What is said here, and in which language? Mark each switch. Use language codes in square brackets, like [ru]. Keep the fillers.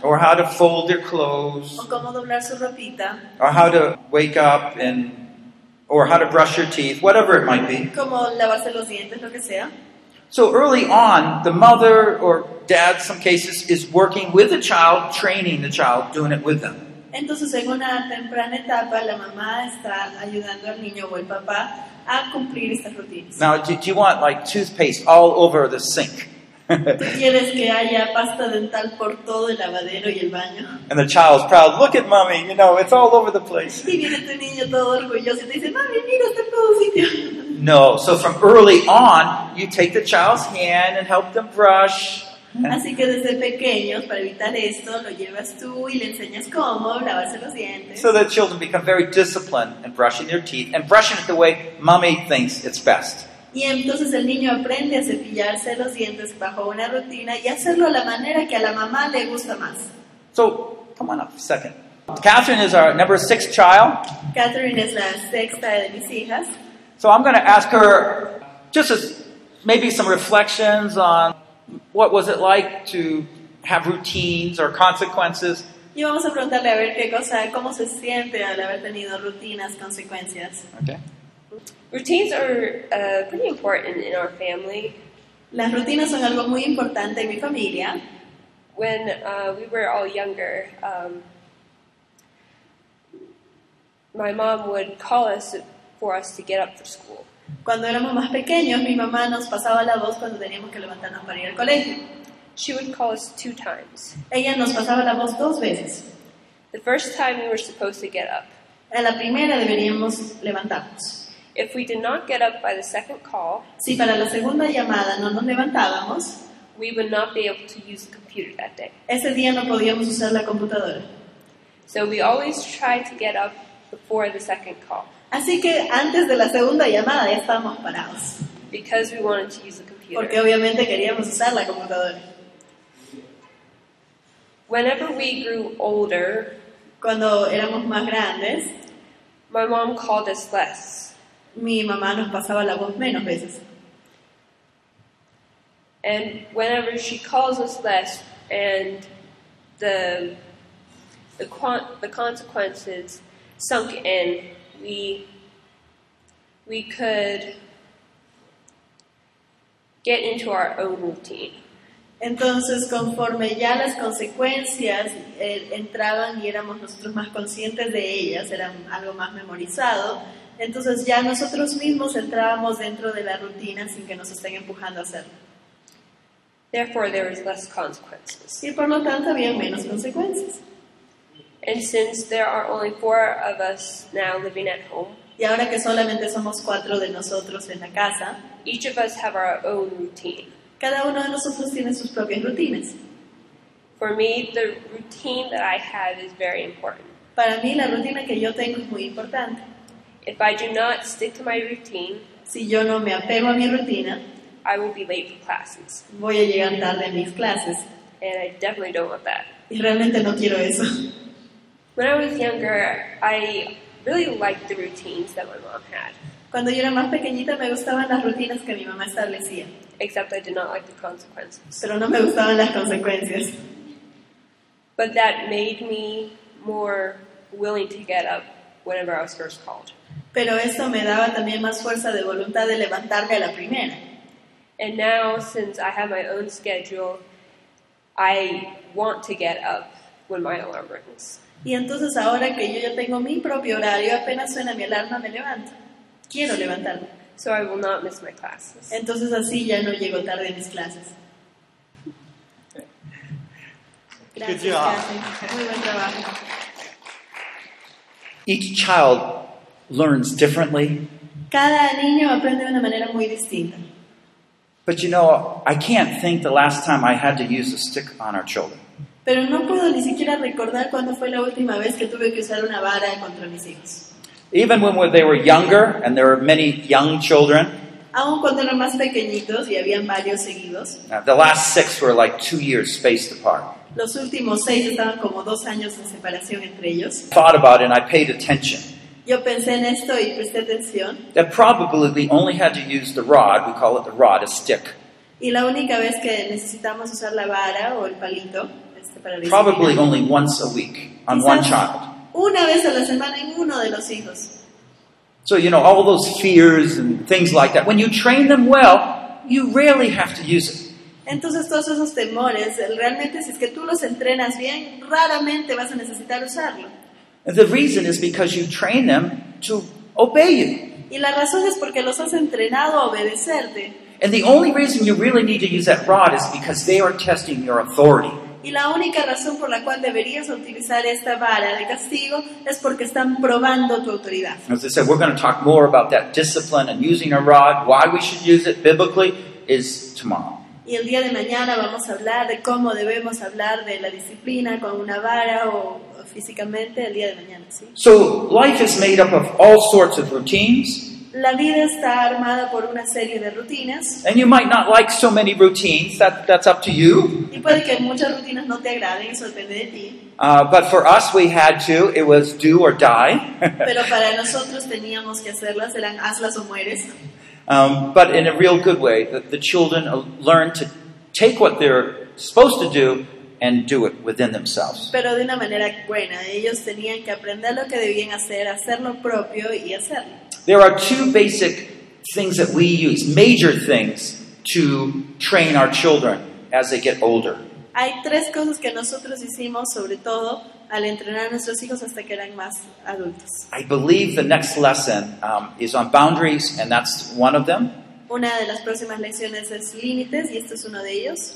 [en] or how to fold their clothes, [es] o cómo doblar su ropita, [en] or how to wake up and or how to brush your teeth, whatever it might be. [es] cómo lavarse los dientes, lo que sea. [en] So early on, the mother or dad, some cases, is working with the child, training the child, doing it with them. [es] Entonces en una temprana etapa la mamá está ayudando al niño o el papá a cumplir estas rutinas. [en] Now, do, do you want like toothpaste all over the sink? [es] Tú [en] and [es] quieres que haya pasta dental por todo el lavadero y el baño. [en] the child's proud. Look at mommy, you know, it's all over the place. [es] Y viene tu niño todo orgulloso y te dice, mami, mira, está en todo sitio. [en] No, so from early on, you take the child's hand and help them brush. [es] Así que desde pequeños, para evitar esto, lo llevas tú y le enseñas cómo lavarse los dientes. [en] So the children become very disciplined in brushing their teeth and brushing it the way mommy thinks it's best. [es] Y entonces el niño aprende a cepillarse los dientes bajo una rutina y hacerlo a la manera que a la mamá le gusta más. [en] So come on up a second. Catherine is our number six child. [es] Catherine es la sexta de mis hijas. [en] So I'm going to ask her just as maybe some reflections on what was it like to have routines or consequences. [es] Y vamos a preguntarle a ver qué cosa, cómo se siente al haber tenido rutinas, consecuencias. [en] Okay. Routines are uh, pretty important in our family. [es] Las rutinas son algo muy importante en mi familia. [en] When uh, we were all younger, um, my mom would call us for us to get up for school. [es] Cuando éramos más pequeños, mi mamá nos pasaba la voz cuando teníamos que levantarnos para ir al colegio. [en] She would call us two times. [es] Ella nos pasaba la voz dos veces. [en] The first time we were supposed to get up. [es] A la primera deberíamos levantarnos. [en] If we did not get up by the second call, [es] Si para la segunda llamada no nos levantábamos, [en] we would not be able to use the computer that day. [es] ese día no podíamos usar la computadora. [en] So we always tried to get up before the second call [es] Así que antes de la segunda llamada ya estábamos parados, [en] because we wanted to use the computer. [es] porque obviamente queríamos usar la computadora. [en] Whenever we grew older, [es] Cuando éramos más grandes, [en] my mom called us less. [es] mi mamá nos pasaba la voz menos veces. [en] And whenever she calls us less, and the the, quan- the consequences sunk in, we we could get into our own routine. [es] Entonces, conforme ya las consecuencias eh, entraban y éramos nosotros más conscientes de ellas, era algo más memorizado, Entonces ya nosotros mismos entrábamos dentro de la rutina sin que nos estén empujando a hacerlo. [en] Therefore, there is less consequences. [es] Y por lo tanto había menos consecuencias. [en] And since there are only four of us now living at home, [es] Y ahora que solamente somos cuatro de nosotros en la casa, [en] each of us have our own routine. [es] cada uno de nosotros tiene sus propias rutinas. [en] For me, the routine that I have is very important. [es] Para mí la rutina que yo tengo es muy importante. [en] If I do not stick to my routine, [es] Si yo no me apego a mi rutina, [en] I will be late for classes, [es] voy a llegar tarde a mis clases. [en] and I definitely don't want that. [es] Y realmente no quiero eso. [en] When I was younger, I really liked the routines that my mom had, [es] Cuando yo era más pequeñita me gustaban las rutinas que mi mamá establecía, [en] except I did not like the consequences. [es] pero no me gustaban las consecuencias. [en] But that made me more willing to get up whenever I was first called. [es] Pero esto me daba también más fuerza de voluntad de levantarme a la primera. [en] And now, since I have my own schedule, I want to get up when my alarm rings. [es] Y entonces ahora que yo ya tengo mi propio horario, apenas suena mi alarma me levanto. Quiero levantarme. [en] So I will not miss my classes. [es] Entonces así ya no llego tarde a mis clases. Gracias, [en] Good job. [es] Kathy. Muy buen trabajo. [en] Each child learns differently, [es] Cada niño aprende de una manera muy distinta. [en] but you know, I can't think the last time I had to use a stick on our children. [es] Pero no puedo ni siquiera recordar cuándo fue la última vez que tuve que usar una vara contra mis hijos. [en] Even when they were younger, and there were many young children, [es] Aun cuando eran más pequeñitos y habían varios seguidos, [en] uh, the last six were like two years spaced apart. [es] los últimos seis estaban como dos años de separación entre ellos. [en] Thought about it and I paid attention. [es] Yo pensé en esto y presté atención [en] That probably they only had to use the rod, we call it the rod, a stick. [es] y la única vez que necesitamos usar la vara o el palito este, para disciplinar, [en] Probably only once a week on [es] quizás [en] one child. [es] Una vez a la semana en uno de los hijos. [en] So, you know, all those fears and things like that, when you train them well, you rarely have to use it. [es] Entonces todos esos temores, realmente si es que tú los entrenas bien, raramente vas a necesitar usarlo. [en] And the reason is because you train them to obey you. [es] Y la razón es porque los has entrenado a obedecerte. [en] And the only reason you really need to use that rod is because they are testing your authority. [es] Y la única razón por la cual deberías utilizar esta vara de castigo es porque están probando tu autoridad. [en] As I said, we're going to talk more about that discipline and using a rod, why we should use it biblically, is tomorrow. [es] Y el día de mañana vamos a hablar de cómo debemos hablar de la disciplina con una vara o, o físicamente el día de mañana. ¿sí? [en] So life is made up of all sorts of routines, [es] La vida está armada por una serie de rutinas [en] and you might not like so many routines. That that's up to you. [es] y puede que muchas rutinas no te agraden, eso depende de ti. [en] Uh, but for us, we had to. It was do or die. [es] Pero para nosotros teníamos que hacerlas, eran hazlas o mueres. [en] um, but in a real good way, the, the children uh, learn to take what they're supposed to do and do it within themselves. [es] Pero de una manera buena, ellos tenían que aprender lo que debían hacer, hacer lo propio y hacerlo. [en] There are two basic things that we use, major things, to train our children as they get older. [es] Hay tres cosas que nosotros hicimos, sobre todo al entrenar a nuestros hijos hasta que eran más adultos. [en] I believe the next lesson um, is on boundaries, and that's one of them. [es] Una de las próximas lecciones es límites y este es uno de ellos.